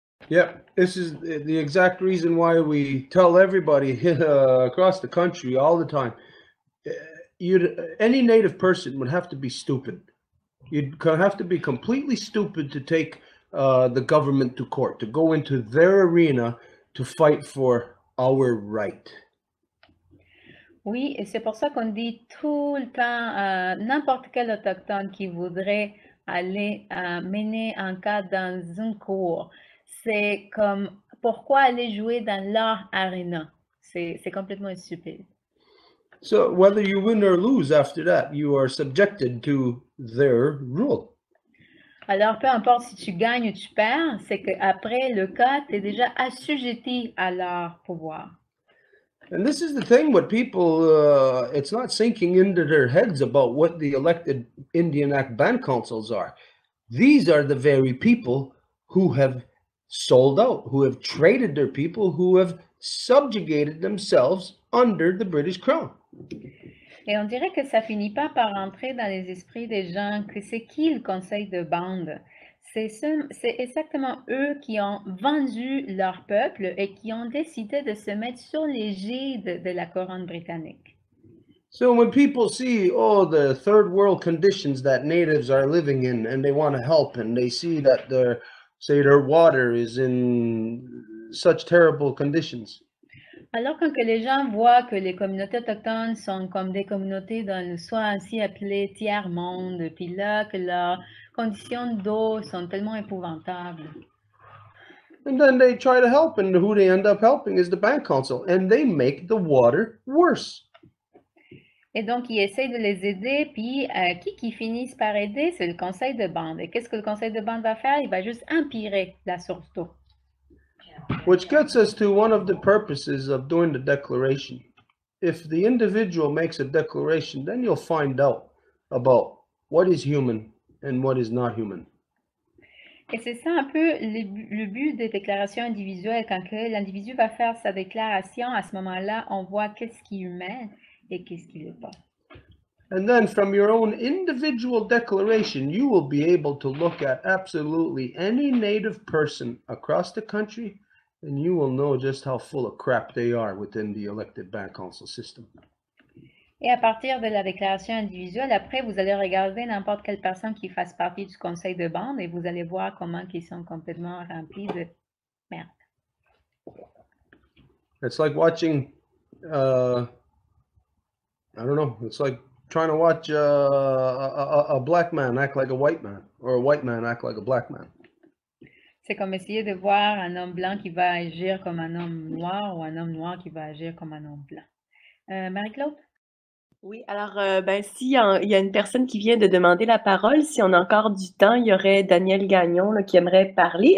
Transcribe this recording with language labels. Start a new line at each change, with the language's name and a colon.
English: Yeah, this is the exact reason why we tell everybody across the country all the time. Any native person would have to be stupid. You'd have to be completely stupid to take the government to court, to go into their arena to fight for our right.
French: Oui, et c'est pour ça qu'on dit tout le temps, n'importe quel autochtone qui voudrait aller mener un cas dans une cour. C'est comme, pourquoi aller jouer dans leur arena? C'est complètement stupide.
English: So, whether you win or lose after that, you are subjected to their rule.
French: Alors, peu importe si tu gagnes ou tu perds, c'est qu'après le cas, tu es déjà assujetti à leur pouvoir.
English: And this is the thing, what people, it's not sinking into their heads about what the elected Indian Act Band Councils are. These are the very people who have sold out, who have traded their people, who have subjugated themselves under the British Crown.
French: Et on dirait que ça finit pas par entrer dans les esprits des gens que c'est qui le conseil de bande. C'est exactement eux qui ont vendu leur peuple et qui ont décidé de se mettre sur l'égide de la couronne britannique.
English: So when people see the third world conditions that natives are living in and they want to help and they see that their water is in such terrible conditions.
French: Alors quand que les gens voient que les communautés autochtones sont comme des communautés dans le soi ainsi appelé tiers monde, puis là que leurs conditions d'eau sont tellement épouvantables.
English: And then they try to help, and who they end up helping is the band council, and they make the water worse.
French: Et donc ils essayent de les aider, puis qui finissent par aider, c'est le conseil de bande. Et qu'est-ce que le conseil de bande va faire? Il va juste empirer la source d'eau.
English: Which gets us to one of the purposes of doing the declaration. If the individual makes a declaration, then you'll find out about what is human and what is not human.
French: Et c'est ça un peu le but des déclarations individuelles. Quand que l'individu va faire sa déclaration, à ce moment-là, on voit qu'est-ce qui est humain et qu'est-ce qui n'est pas.
English: And then from your own individual declaration, you will be able to look at absolutely any native person across the country, and you will know just how full of crap they are within the elected band council system.
French: Et à partir de la déclaration individuelle, après, vous allez regarder n'importe quelle personne qui fasse partie du conseil de bande et vous allez voir comment ils sont complètement remplis de merde.
English: It's like watching, I don't know, it's like trying to watch a black man act like a white man, or a white man act like a black man.
French: C'est comme essayer de voir un homme blanc qui va agir comme un homme noir ou un homme noir qui va agir comme un homme blanc. Marie-Claude? Oui, alors, s'il y a une personne qui vient de demander la parole, si on a encore du temps, il y aurait Daniel Gagnon là, qui aimerait parler.